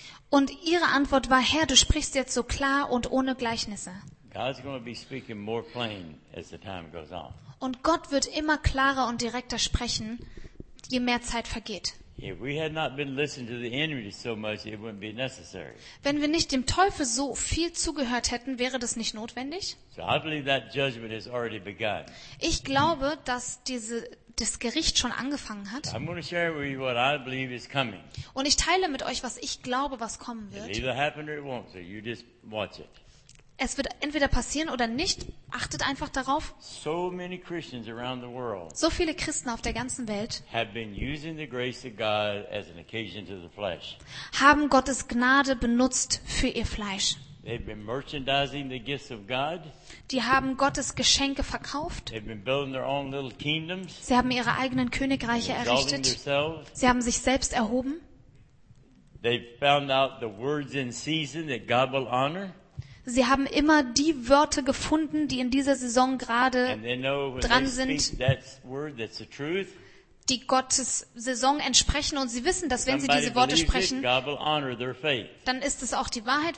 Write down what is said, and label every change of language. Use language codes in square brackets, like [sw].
[de] Und ihre Antwort war, Herr, du sprichst jetzt so klar und ohne Gleichnisse. [en] God's going to be speaking more plain as the time goes on. [de] Und Gott wird immer klarer und direkter sprechen, je mehr Zeit vergeht. [en] If we had not been listening to the enemy so much, it wouldn't be necessary. [de] Wenn wir nicht dem Teufel so viel zugehört hätten, wäre das nicht notwendig. [en] So I believe that judgment has already begun. [de] Ich glaube, dass das Gericht schon angefangen hat. [en] I'm going to share with you what I believe is coming. [de] Und ich teile mit euch, was ich glaube, was kommen wird. [en] It'll either happen or it won't, so you just watch it. [de] Es wird entweder passieren oder nicht. Achtet einfach darauf. [en] So many Christians around the world, [de] so viele Christen auf der ganzen Welt haben Gottes Gnade benutzt für ihr Fleisch. [en] They've been merchandising the gifts of God. [de] Die haben Gottes Geschenke verkauft. [en] They've been building their own little kingdoms. [de] Sie haben ihre eigenen Königreiche errichtet. [en] Themselves. [de] Sie haben sich selbst erhoben. [en] They found out the words in season that God will honor. [de] Sie haben immer die Wörter gefunden, die in dieser Saison gerade dran sind, die Gottes Saison entsprechen. Und sie wissen, dass wenn sie diese Worte sprechen, dann ist es auch die Wahrheit.